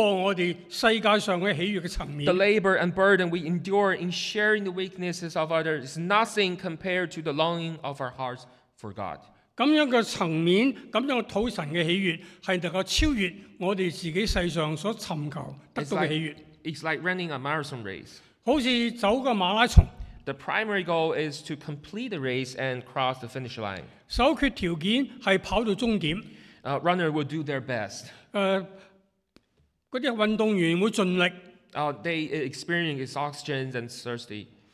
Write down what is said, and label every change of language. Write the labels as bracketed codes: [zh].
[zh] 所以这样的喜悦是高过我们世界上的喜悦的层面。 [en] The labor and burden we endure in sharing the weaknesses of others is nothing compared to the longing of our hearts for God. [zh] 这样的层面，这样讨神的喜悦，是能够超越我们自己世上所寻求得到的喜悦。 [en] it's like running a marathon race. [zh] 好像走個馬拉松。 [en] The primary goal is to complete the race and cross the finish line. [zh] 首決條件是跑到終點。 [en] Runner will do their best. [zh] 那些運動員會盡力。 [en] They experience exhaustion and thirsty.